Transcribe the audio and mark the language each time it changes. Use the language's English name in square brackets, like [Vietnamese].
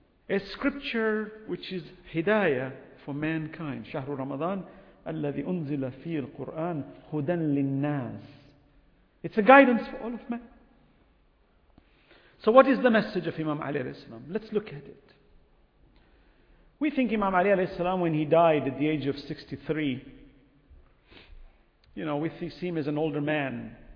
[English] A scripture which is hidayah for mankind. [Arabic] شهر رمضان الذي أنزل فيه القرآن هدى للناس. [English] It's a guidance for all of men. So what is the message of Imam Ali alayhi salam? Let's look at it. We think Imam Ali alayhi salam, when he died at the age of 63, you know, we see him as an older man.